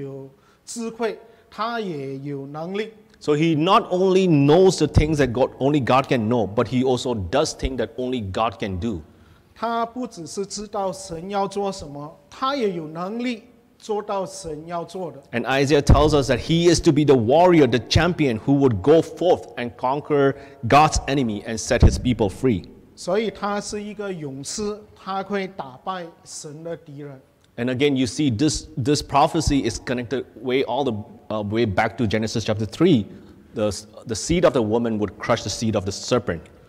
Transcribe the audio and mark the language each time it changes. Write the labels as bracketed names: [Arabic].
[Chinese] 所以这个婴孩一出生，他不只是有智慧，他也有能力。 [English] So he not only knows the things that only God can know, but he also does things that only God can do. [Chinese] 他不只是知道神要做什么，他也有能力做到神要做的。 [English] And Isaiah tells us that he is to be the warrior, the champion, who would go forth and conquer God's enemy and set his people free. [Chinese] 所以他是一个勇士，他会打败神的敌人。 [English] And again, you see this prophecy is connected way back to Genesis chapter 3. The seed of the woman would crush the seed of the serpent.